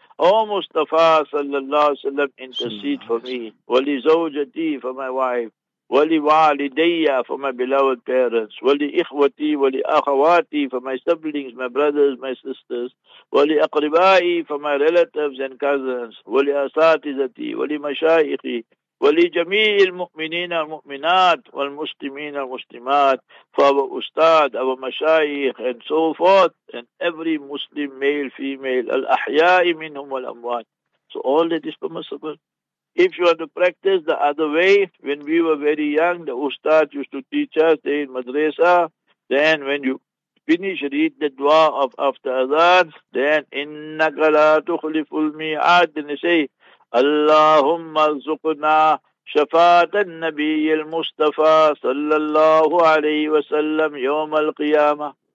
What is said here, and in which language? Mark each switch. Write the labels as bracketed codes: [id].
[en] O Mustafa, sallallahu alayhi salam, intercede for me. [ar] Wali zawjati, [en] for my wife. [ar] Wali walidayya, [en] for my beloved parents. [ar] Wali ikhwati, wali akhawati, [en] for my siblings, my brothers, my sisters. [ar] Wali aqribai, [en] for my relatives and cousins. [ar] Wali asatizati, wali mashayikhi. ولجميع المؤمنين المؤمنات والمسلمين المسلمات فأبو أستاذ أبو مشايخ [en] and so forth and every Muslim male, female [ar] الأحياء منهم والأموات. [en] So all that is permissible. If you want to practice the other way, when we were very young, the Ustadh used to teach us in Madrasa, then when you finish, read the dua of after Adhan, then [ar] إِنَّكَ لَا تُخْلِفُ الْمِيعَادِ, [en] then they say, [ar] اللهم ارزقنا شفاعة النبي المصطفى صلى الله عليه وسلم يوم القيامة.